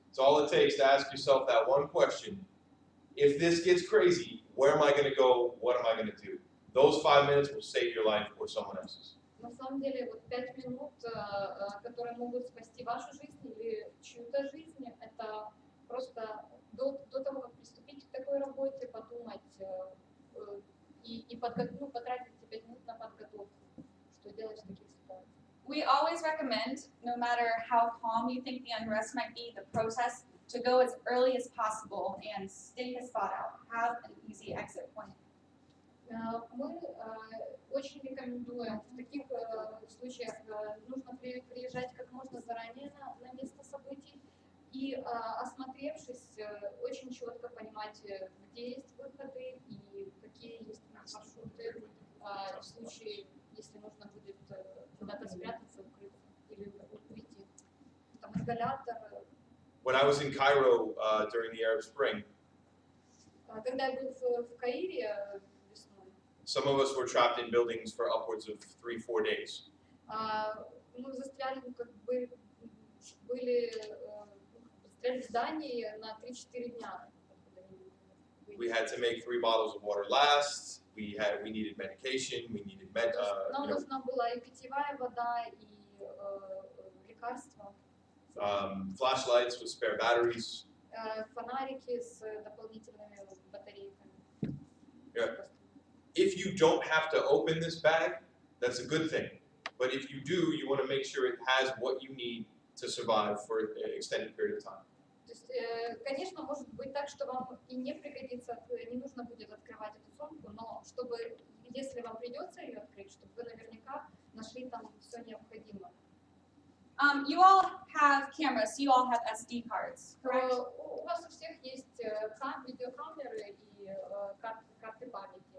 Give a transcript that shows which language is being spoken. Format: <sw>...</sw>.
<en>It's all it takes to ask yourself that one question. If this gets crazy, where am I going to go? What am I going to do? Those 5 minutes will save your life or someone else's.</en> <ru>На самом деле, вот 5 минут, которые могут спасти вашу жизнь или чью-то жизнь, это просто до того, как приступить к такой работе, подумать и потратить эти 5 минут на подготовку, что делать в таких ситуациях.</ru> <en>We always recommend, no matter how calm you think the unrest might be, the process, to go as early as possible and stake a spot out, have an easy exit point.</en> <ru>Мы очень рекомендуем, в таких случаях нужно приезжать как можно заранее на место событий и, осмотревшись, очень четко понимать, где есть выходы и какие есть маршруты, в случае, если нужно будет куда-то спрятаться, укрыться или уйти. Там изолятор.</ru> <en>When I was in Cairo during the Arab Spring,</en> <ru>когда я был в Каире,</ru> <en>some of us were trapped in buildings for upwards of 3-4 days.</en> <ru>Мы застряли, как бы, были застряли в здании на 3-4 дня.</ru> <en>We had to make 3 bottles of water last. We needed medication. We needed</en> <ru>Нам нужна была и питьевая вода, и лекарства.</ru> <en>Flashlights with spare batteries.</en> <ru>Фонарики с дополнительными батарейками.</ru> <en>Yeah. If you don't have to open this bag, that's a good thing. But if you do, you want to make sure it has what you need to survive for an extended period of time.</en> <ru>То есть, конечно, может быть так, что вам и не пригодится, не нужно будет открывать эту сумку, но чтобы, если вам придется ее открыть, чтобы вы наверняка нашли там все необходимое.</ru> <en>You all have cameras, you all have SD cards, correct?</en> <ru>У вас у всех есть видеокамеры и карты памяти.</ru>